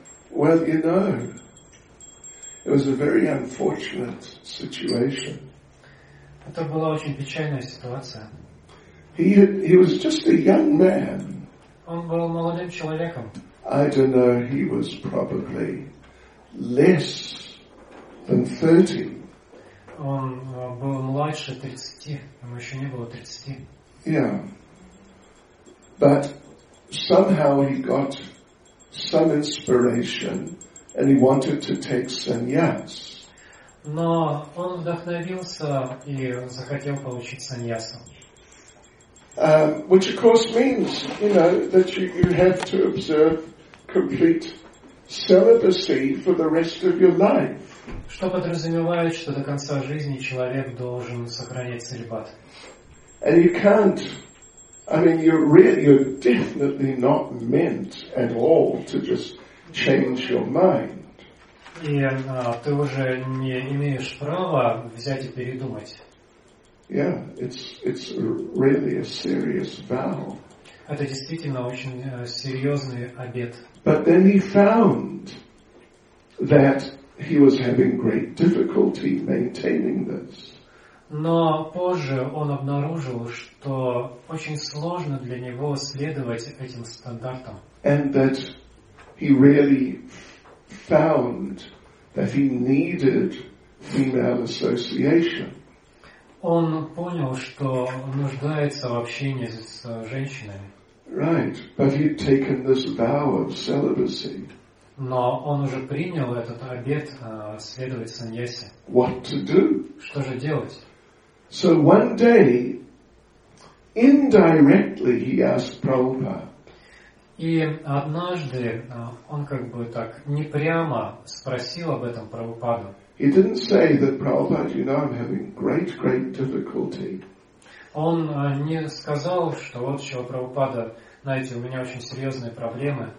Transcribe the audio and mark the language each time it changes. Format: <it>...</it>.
<en>Well, you know, it was a very unfortunate situation.</en> <ru>Это была очень печальная ситуация.</ru> <en>He was just a young man.</en> <ru>Он был молодым человеком.</ru> <en>I don't know, he was probably less than 30.</en> <ru>Он был младше 30, ему еще не было 30.</ru> <en>Yeah. But somehow he got some inspiration and he wanted to take sannyas.</en> <ru>Но он вдохновился и захотел получить саньясу.</ru> <en>Which of course means, you know, that you have to observe complete celibacy for the rest of your life.</en> <ru>что подразумевает, что до конца жизни человек должен сохранять целибат.</ru> <en>And you can't. I mean, you're definitely not meant at all to just change your mind.</en> <ru>И ты уже не имеешь права взять и передумать.</ru> <en>Yeah, it's really a serious vow.</en> <ru>Это действительно очень серьезный обет.</ru> <en>But then he found that he was having great difficulty maintaining this.</en> <ru>Но позже он обнаружил, что очень сложно для него следовать этим стандартам.</ru> <en>And that he really found that he needed female association.</en> <ru>Он понял, что нуждается в общении с женщинами.</ru> <en>Right, but he'd taken this vow of celibacy.</en> <ru>Но он уже принял этот обет следовать саньясе.</ru> <en>What to do?</en> <ru>Что же делать?</ru> <en>So one day, indirectly, he asked Prabhupada.</en> <ru>И однажды он как бы так непрямо спросил об этом Прабхупаду.</ru> <en>He didn't say that Prabhupada, you know, I'm having great, great difficulty.</en> <ru>Он не сказал, что вот еще Прабхупада, знаете, у меня очень серьезные проблемы.</ru>